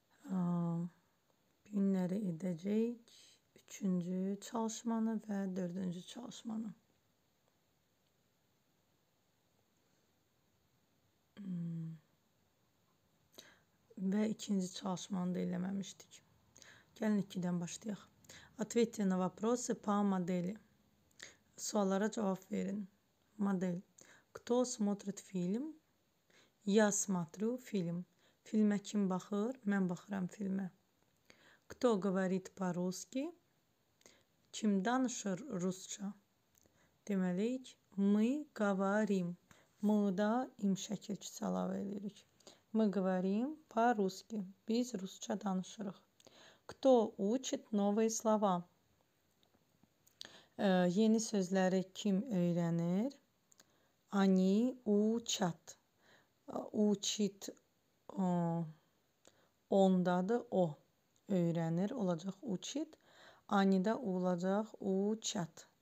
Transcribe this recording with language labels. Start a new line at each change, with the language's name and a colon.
Azerbaijani: Günləri edəcəyik 3-cü çalışmanı və 4-cü çalışmanı. Və 2-ci çalışmanı da eləməmişdik. Gəlin 2-dən başlayaq.
Russian: Ответьте на вопросы по модели.
Azerbaijani: Suallara cavab verin. Model.
Russian: Кто смотрит фильм? Я смотрю фильм.
Azerbaijani: Filmə kim baxır? Mən baxıram filmə.
Russian: Кто говорит по-русски?
Azerbaijani: Kim danışır rusca? Deməli,
Russian: мы говорим.
Azerbaijani: Мы-да im şəkilçisi əlavə edirik.
Russian: Мы говорим по-русски.
Azerbaijani: Biz rusca danışırıq.
Russian: Кто учит новые слова?
Azerbaijani: Yeni sözləri kim öyrənir?
Russian: Они учат.
Azerbaijani: Учит ондадır o. Öyrənir olacaq учит. Они да olacaq учат.